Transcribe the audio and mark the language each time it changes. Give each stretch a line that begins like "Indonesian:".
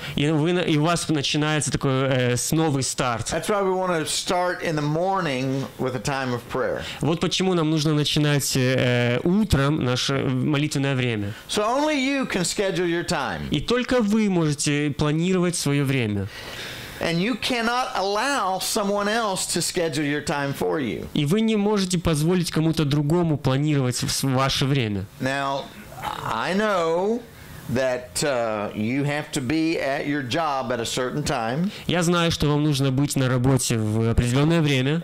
Russian: И у вас начинается такой новый старт.
English: That's why we want to start in the morning with a time of prayer.
Russian: Вот почему нам нужно начинать утром наше молитвенное время.
English: So only you can schedule your time.
Russian: И только вы можете планировать свое время.
English: And you cannot allow someone else to schedule your time for you.
Russian: И вы не можете позволить кому-то другому планировать ваше время.
English: Now, I know that you have to be at your job at a certain time.
Russian: Я знаю, что вам нужно быть на работе в определенное время.